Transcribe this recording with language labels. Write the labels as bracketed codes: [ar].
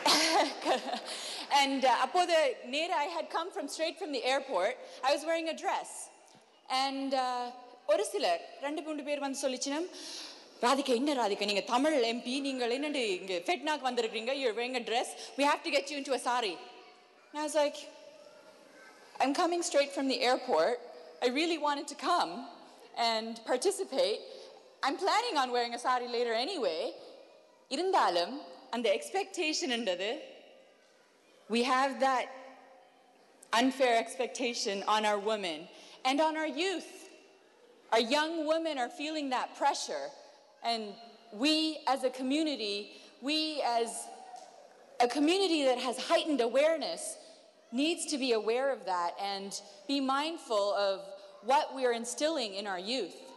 [en] And I had come from straight from the airport. I was wearing a dress. [ta] And ஒரு சிலர் ரெண்டு மூணு பேர் வந்து சொல்லிச்சினம், ராதிகா என்ன ராதிகா நீங்க தமிழ் எம்பி, நீங்கள் என்னண்டு இங்க ஃபெட்னாக் வந்திருக்கீங்க, [en] You are wearing a dress, we have to get you into a sari. I was like, I am coming straight from the airport, I really wanted to come and participate, I am planning on wearing a sari later anyway. [ta] இருந்தாலும் அந்த எக்ஸ்பெக்டேஷன்ன்றது, [en] We have that unfair expectation on our women and on our youth. Our young women are feeling that pressure. And we as a community, we as a community that has heightened awareness, needs to be aware of that and be mindful of what we are instilling in our youth.